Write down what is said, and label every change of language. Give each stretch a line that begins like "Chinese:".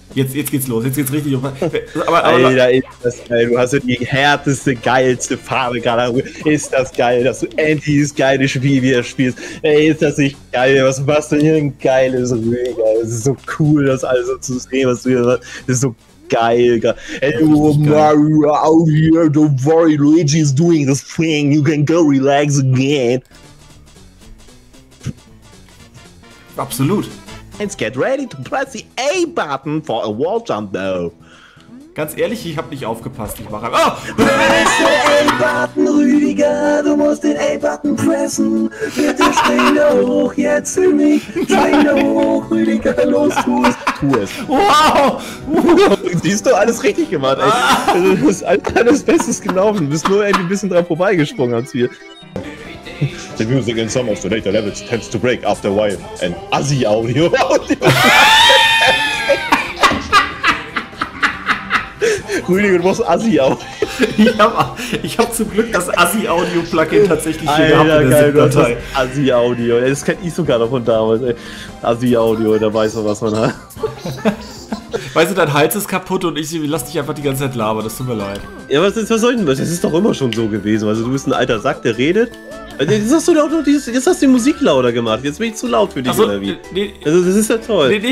German: Jetzt geht's los, jetzt geht's richtig um. Aber, Alter, ist das geil. Du hast ja die härteste, geilste Farbe gerade. Ist das geil, dass du endlich das geile Spiel wieder spielst. Ey, ist das nicht geil? Was machst du hier? Ein geiles Rüger. Es ist so cool, das alles so zu sehen, was du hier machst. Das ist so geil. Ey, du
English: Mario, out here, don't worry. Luigi is doing this thing. You can go relax again.
German: Absolut.
English: Let's get ready to press the A button for a wall jump, though.
German: Ganz ehrlich, ich hab nicht aufgepasst. Ich mache einfach. Oh!
English: Press
German: den A-Button, Rüdiger, du musst den A-Button pressen. Bitte springe hoch jetzt für mich. Springe hoch, Rüdiger, los, tu es. Wow! Siehst du, alles richtig gemacht, ey. Das ist alles Bestes gelaufen. Du bist nur irgendwie ein bisschen dran vorbeigesprungen als wir.
English: The music in some of the later levels tends to break after a while. And Azzy Audio.
German: Rüdiger, du brauchst Azzy Audio. Ich hab zum Glück das Azzy Audio Plugin tatsächlich hier Alter, gehabt. Geil, du hast das Azzy Audio. Das kenn ich sogar noch von damals. Azzy Audio, da weiß man, was man hat. Weißt du, dein Hals ist kaputt und ich lass dich einfach die ganze Zeit labern. Das tut mir leid. Ja, was soll denn das? Das ist doch immer schon so gewesen. Also, du bist ein alter Sack, der redet. Jetzt hast du die Musik lauter gemacht. Jetzt bin ich zu laut für dich, oder wie? Nee, also das ist ja toll.